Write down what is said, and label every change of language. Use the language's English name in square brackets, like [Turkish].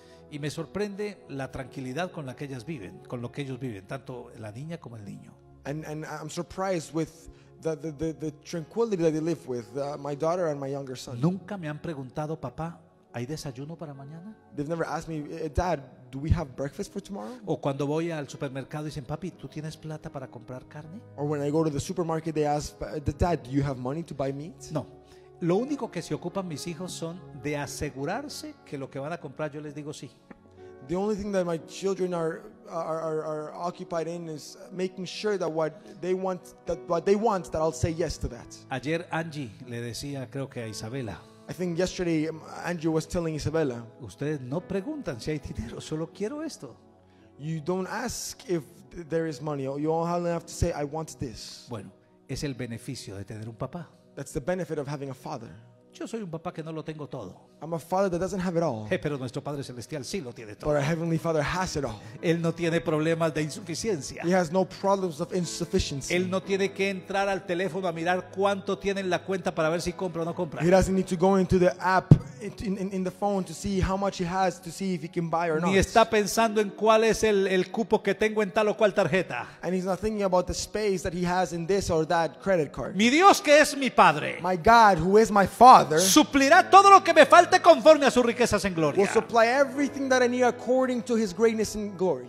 [Spanish] Y me sorprende la tranquilidad con la que ellas viven, con lo que ellos viven, tanto la niña como el niño. [English] And I'm surprised with the tranquility that they live with, my daughter and my younger son. [Spanish] Nunca me han preguntado, papá, ¿hay desayuno para mañana? [English] They've never asked me, Dad, do we have breakfast for tomorrow? [Spanish] O cuando voy al supermercado dicen, papi, ¿tú tienes plata para comprar carne? [English] Or when I go to the supermarket, they ask, Dad, do you have money to buy meat? [Spanish] No. Lo único que se ocupan mis hijos son de asegurarse que lo que van a comprar yo les digo sí. [English] The only thing that my children are occupied in is making sure that what they want that I'll say yes to that. [Spanish] Ayer Angie le decía, creo que a Isabela. [English] I think yesterday Angie was telling Isabela. [Spanish] Ustedes no preguntan si hay dinero, solo quiero esto. [English] You don't ask if there is money. You only have to say I want this. [Spanish] Bueno, es el beneficio de tener un papá. [English] That's the benefit of having a father. [Spanish] Yo soy un papá que no lo tengo todo. [English] I'm a father that doesn't have it all. [Spanish] Pero nuestro Padre Celestial sí lo tiene todo. [English] But our Heavenly Father has it all. [Spanish] Él no tiene problemas de insuficiencia. [English] He has no problems of insufficiency. [Spanish] Él no tiene que entrar al teléfono a mirar cuánto tiene en la cuenta para ver si compra o no compra. [English] He doesn't need to go into the app in the phone to see how much he has to see if he can buy or not. [Spanish] Ni está pensando en cuál es el cupo que tengo en tal o cual tarjeta. [English] And he's not thinking about the space that he has in this or that credit card. [Spanish] Mi Dios que es mi Padre. [English] My God who is my Father. [Spanish] Suplirá todo lo que me falte conforme a sus riquezas en gloria. [English] Will supply everything that I need according to his greatness and glory.